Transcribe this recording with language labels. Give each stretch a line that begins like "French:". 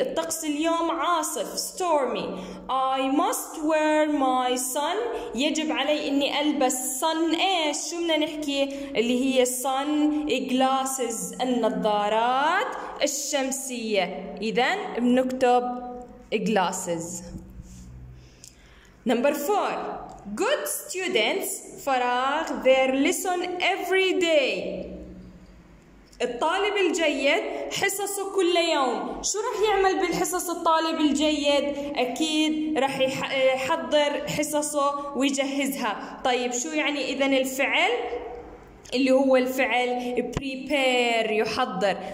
Arabic: الطقس اليوم عاصف، stormy.
English: I must wear my sun.
Arabic: يجب علي إني ألبس
English: sun.
Arabic: إيش؟ شو بدنا نحكي؟ اللي هي sun glasses، النظارات الشمسية. إذا بنكتب glasses.
English: Number four, good students فراغ their lesson every day.
Arabic: الطالب الجيد حصصه كل يوم. شو رح يعمل بالحصص الطالب الجيد؟ أكيد رح يحضر حصصه ويجهزها. طيب شو يعني إذن الفعل؟ اللي هو الفعل prepare يحضر.